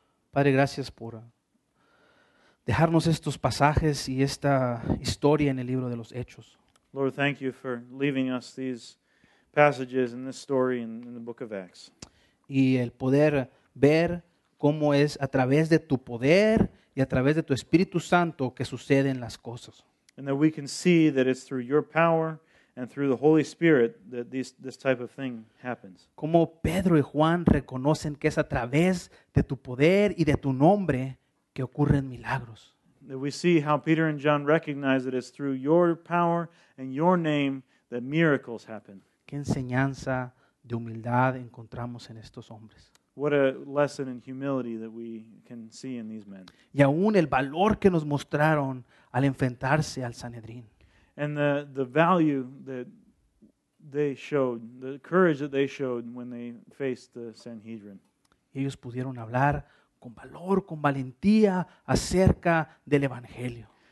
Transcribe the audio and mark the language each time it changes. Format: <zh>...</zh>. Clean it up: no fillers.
<es>Padre, gracias por dejarnos estos pasajes y esta historia en el libro de los Hechos.</es> <en>Lord, thank you for leaving us these passages and this story in the book of Acts.</en> <es>Y el poder ver cómo es a través de tu poder y a través de tu Espíritu Santo que suceden las cosas.</es> <en>And that we can see that it's through your power and through the Holy Spirit that this type of thing happens.</en> <es>Como Pedro y Juan reconocen que es a través de tu poder y de tu nombre que ocurren milagros.</es> <en>That we see how Peter and John recognize that it's through your power and your name that miracles happen.</en> <es>¿Qué enseñanza de humildad encontramos en estos hombres?</es> <en>What a lesson in humility that we can see in these men.</en> <es>Y aún el valor que nos mostraron al enfrentarse al Sanedrín.</es> <en>And the value that they showed, the courage that they showed when they faced the Sanhedrin.</en> <es>Ellos pudieron hablar con valor, con valentía acerca del Evangelio.</es>